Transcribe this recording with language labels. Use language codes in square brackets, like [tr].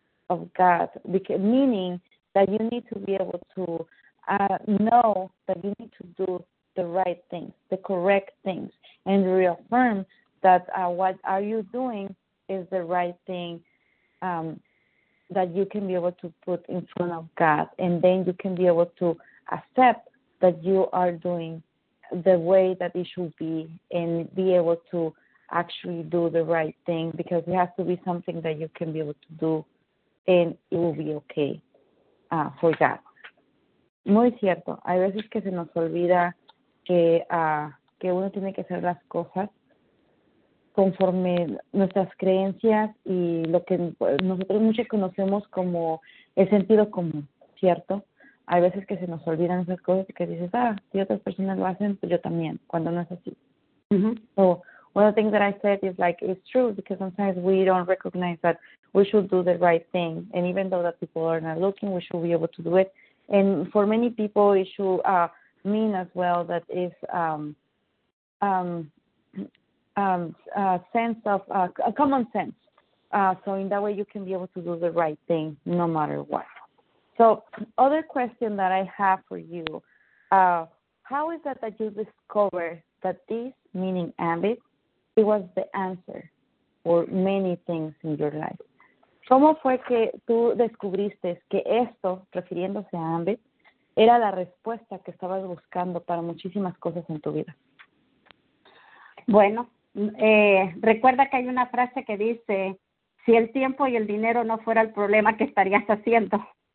[en] of God, meaning that you need to be able to know that you need to do the right things, the correct things, and reaffirm that what are you doing is the right thing that you can be able to put in front of God, and then you can be able to accept that you are doing the way that it should be and be able to actually do the right thing, because it has to be something that you can be able to do and it will be okay for God. [es] Muy cierto. Hay veces que se nos olvida que uno tiene que hacer las cosas conforme nuestras creencias y lo que nosotros mucho conocemos como el sentido común, ¿cierto? Hay veces que se nos olvidan esas cosas que dices, si otras personas lo hacen, pues yo también, cuando no es así. Mm-hmm. [en] So, one of the things that I said is like, it's true, because sometimes we don't recognize that we should do the right thing, and even though that people are not looking, we should be able to do it. And for many people, it should mean as well that it's a common sense. So in that way, you can be able to do the right thing no matter what. So other question that I have for you, how is it that you discovered that this, meaning AMBIT, it was the answer for many things in your life? [es] ¿Cómo fue que tú descubriste que esto, refiriéndose a AMBIT, era la respuesta que estabas buscando para muchísimas cosas en tu vida? Bueno, recuerda que hay una frase que dice, si el tiempo y el dinero no fuera el problema, ¿qué estarías haciendo?